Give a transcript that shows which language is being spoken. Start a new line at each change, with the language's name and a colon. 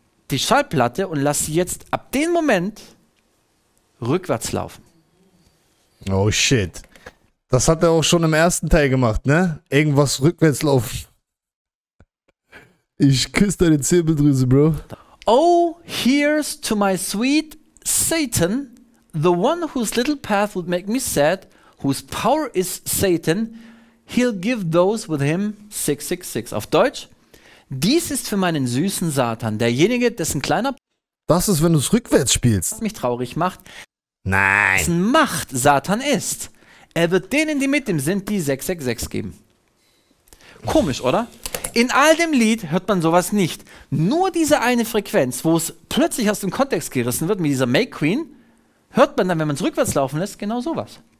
German: die Schallplatte und lass sie jetzt ab dem Moment rückwärts laufen.
English: Oh shit.
German: Das hat er auch schon im ersten Teil gemacht, ne? Irgendwas rückwärts laufen. Ich küsse deine Zirbeldrüse, Bro.
English: Oh, here's to my sweet Satan, the one whose little path would make me sad, whose power is Satan, he'll give those with him 666.
German: Auf Deutsch, dies ist für meinen süßen Satan, derjenige, dessen kleiner... Das ist, wenn du es rückwärts spielst. ...mich traurig macht. Nein. ...dessen Macht Satan ist. Er wird denen, die mit ihm sind, die 666 geben. Komisch, oder? In all dem Lied hört man sowas nicht. Nur diese eine Frequenz, wo es plötzlich aus dem Kontext gerissen wird, mit dieser May Queen, hört man dann, wenn man es rückwärts laufen lässt, genau sowas.